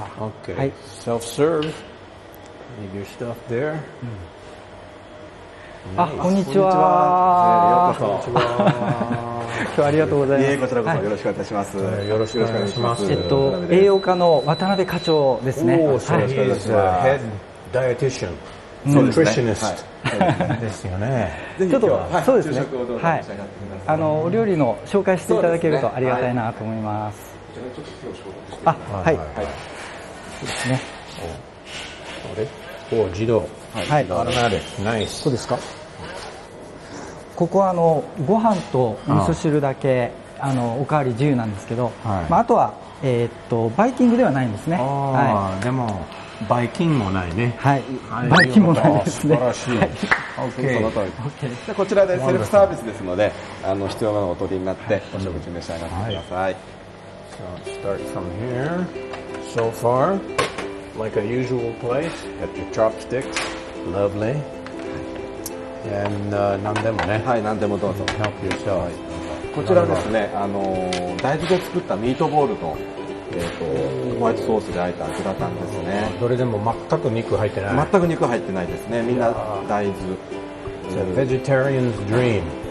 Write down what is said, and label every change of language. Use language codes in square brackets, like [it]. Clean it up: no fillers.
[ja] はい、OK、はい、 [en] Self serve. Leave your stuff there. [ja] あ、こんにちは。ようこそ。今日はありがとうございます。こちらこそよろしくお願いします。よろしくお願いします。栄養科の渡辺課長ですね。おー、そうですか。 [en] He is a head dietitian、nutritionist、 [ja] ですよね。ぜひ今日は、はい、そうですね、昼食をどうぞ召し上がってください。お料理の紹介していただけるとありがたいなと思います。じゃあちょっと今日紹介してみます。はい、はい、そうですね。あれ、おー、自動、はい、あれがあれ、ナイス。そうですか。ここはご飯と味噌汁だけ、おかわり自由なんですけど、はい、まあ、あとは、バイキングではないんですね。あ、はい、でもバイキングもないね。はい、バイキングもないですね。素晴らしい。はい、OK、 その通り。 OK、じゃこちらでセルフサービスですので、必要なのをお取りになってお食事召し上がってください。 [en] はい、so、start from here. So far, like a usual place, at the chopsticks. Lovely. And, [ja] 何でもね、はい、何でもどうぞ。 [en] Help yourself. [ja] こちらですね、大豆で作ったミートボールと、ホワイトソースであえたグラタンですね。どれでも全く肉入ってない。全く肉入ってないですね。みんな大豆。 [en] It's a vegetarian's dream.